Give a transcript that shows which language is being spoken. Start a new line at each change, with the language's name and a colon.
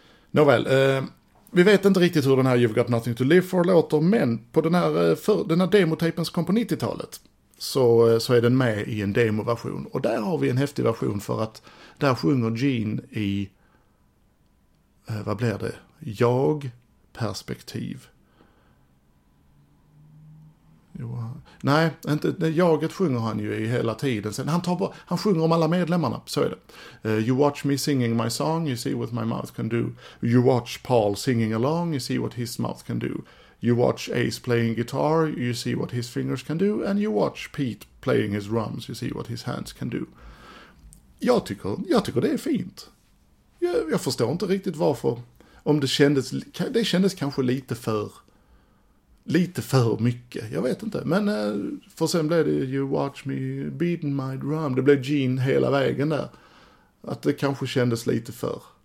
Swedish: Nåväl, vi vet inte riktigt hur den här You've Got Nothing To Live For låter, men på den här demotapen som kom på 90-talet så är den med i en demoversion, och där har vi en häftig version för att där sjunger Gene i vad blir det? Jag perspektiv. Jo, nej, inte jaget sjunger han ju i hela tiden. Sen han sjunger om alla medlemmarna, så är det.
English: You watch me singing my song, you see what my mouth can do. You watch Paul singing along, you see what his mouth can do. You watch Ace playing guitar, you see what his fingers can do, and you watch Pete playing his drums, you see what his hands can do.
Swedish: Jag tycker det är fint. Jag förstår inte riktigt varför. Om det kändes kanske lite för mycket. Jag vet inte. Men för sen blev det You Watch Me Beating My Drum. Det blev Gene hela vägen där. Att det kanske kändes lite för.